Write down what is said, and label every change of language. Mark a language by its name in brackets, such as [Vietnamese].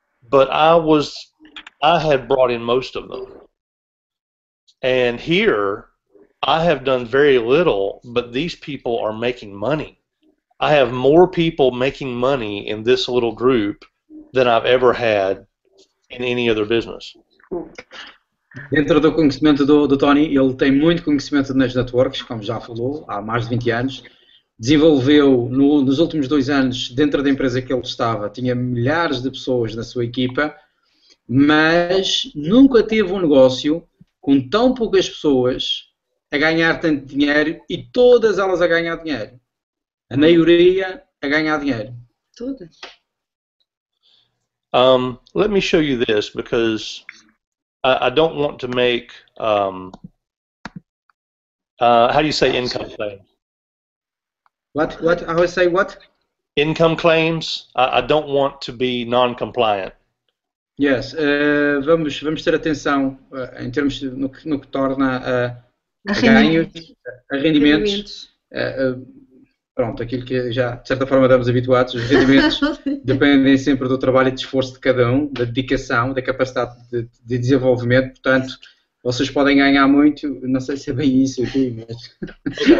[English] But I had brought in most of them. And here, I have done very little, but these people are making money. I have more people making money in this little group than I've ever had in any other business. [Portuguese] Dentro do conhecimento do Tony, ele tem muito conhecimento nas networks, como já falou, há mais de 20 anos. Desenvolveu, nos últimos dois anos, dentro da empresa que ele estava, tinha milhares de pessoas na sua equipa, mas nunca teve um negócio com tão poucas pessoas a ganhar tanto dinheiro e todas elas a ganhar dinheiro. A maioria a ganhar dinheiro. Todas. [English] Let me show you this, because I don't want to make, how do you say income claims? What, how do you say what? Income claims, I don't want to be non-compliant. [Portuguese] Yes, vamos ter atenção em termos de no que torna a ganhos, a rendimentos. Pronto, aquilo que já, de certa forma, estamos habituados, os rendimentos dependem sempre do trabalho e do esforço de cada um, da dedicação, da capacidade de desenvolvimento, portanto, vocês podem ganhar muito, não sei se é bem isso aqui, mas...